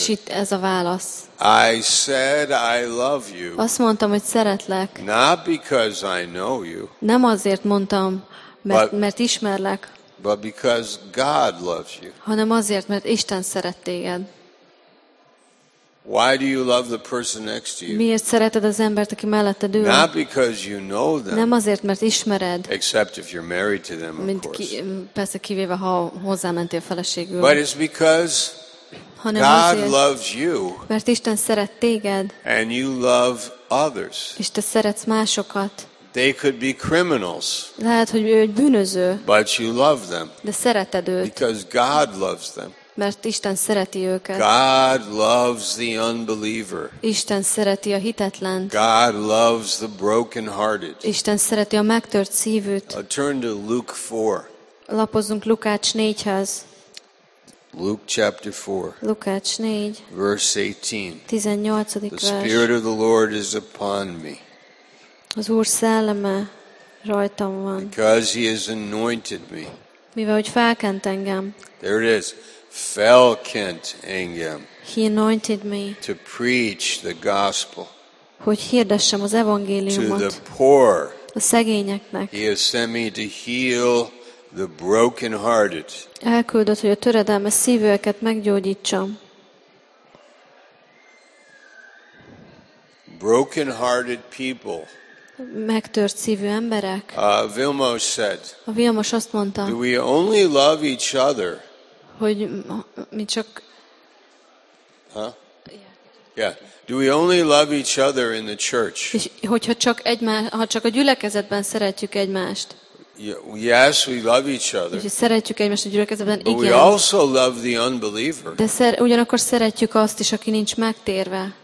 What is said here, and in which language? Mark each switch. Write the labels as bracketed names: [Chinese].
[Hungarian] És itt ez a válasz. [English] I said I love you. [Hungarian] Azt mondtam, hogy szeretlek. [English] Not because I know you. [Hungarian] Nem azért mondtam, mert ismerlek. [English] But because God loves you. [Hungarian] Hanem azért, mert Isten szeret téged. [English] Why do you love the person next to you? [Hungarian] Miért szereted az embert, aki melletted ül? [English] Not because you know them. [Hungarian] Nem azért, mert ismered. [English] Except if you're married to them, of [Hungarian] mint [English] course. [Hungarian] Persze kivéve, ha hozzámentél feleségül. [English] But it's because [Hungarian] hanem [English] God [Hungarian] azért, [English] loves you. [Hungarian] Mert Isten szeret téged. [English] And you love others. [Hungarian] És te szeretsz másokat. [English] They could be criminals. [Hungarian] Lehet, hogy ő egy bűnöző. [English] But you love them. [Hungarian] De szereted őt. [English] Because God loves them. [Hungarian] Mert Isten szereti őket. [English] God loves the unbeliever. [Hungarian] Isten szereti a hitetlent. [English] God loves the brokenhearted. [Hungarian] Isten szereti a megtört szívűt. [English] Turn to Luke 4. [Hungarian] Lapozzunk Lukács 4-hez. [English] Luke chapter 4. [Hungarian] Lukács 4. [English] Verse 18. [Hungarian] 18. [English] The Spirit of the Lord is upon me. [Hungarian] Az Úr szelleme rajtam van. [English] Because he has anointed me. [Hungarian] Mivel hogy felkent engem. [English] There it is. [Hungarian] Felkent engem. [English] He anointed me. To preach the gospel. [Hungarian] Hogy hirdessem az evangéliumot. [English] To the poor. [Hungarian] A szegényeknek. [English] He has sent me to heal the brokenhearted. [Hungarian] Elküldött, hogy a töredelmes szívőeket meggyógyítsam. [English] Brokenhearted people. [Hungarian] Megtört szívű emberek. [English] Vilmos said. [Hungarian] A Vilmos azt mondta. [English] Do we only love each other? [Hungarian] Hogy mi csak. [English] Huh? Yeah. Do we only love each other in the church? [Hungarian] És hogyha csak ha csak a gyülekezetben szeretjük egymást. [English] Yes, we love each other. [Hungarian] És szeretjük egymást a gyülekezetben. [English] But we also love the unbeliever. [Hungarian] De ugyanakkor szeretjük azt is, aki nincs megtérve.